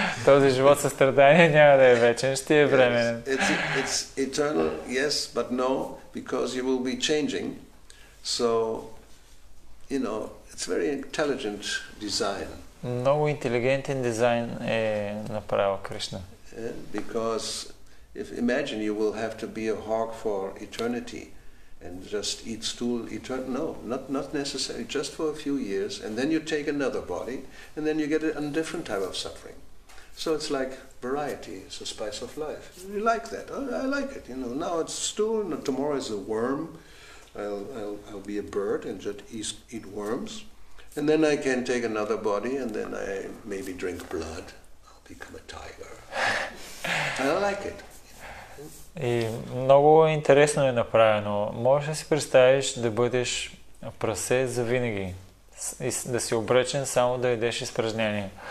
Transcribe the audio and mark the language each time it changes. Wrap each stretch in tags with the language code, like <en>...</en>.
<bg>Този живот със страдания няма да е вечен, ще е временен.</bg> <en>Yes, it's eternal, yes, but no, because you will be changing. So, you know, it's very intelligent design.</en> <bg>Много интелигентен дизайн е направил Кришна.</bg> <en>Because if imagine you will have to be a hog for eternity and just eat stool eternity. No, not necessary, just for a few years, and then you take another body and then you get a different type of suffering. So it's like variety is a spice of life. You like that. I like it, you know. Now it's stool, and tomorrow is a worm. I'll be a bird and just eat worms. And then I can take another body, and then I maybe drink blood. I'll become a tiger. I like it.</en> <bg>И много интересно е направено. Можеш да си представиш да бъдеш прасе завинаги. И да си обречен само да ядеш изпражнения.</bg>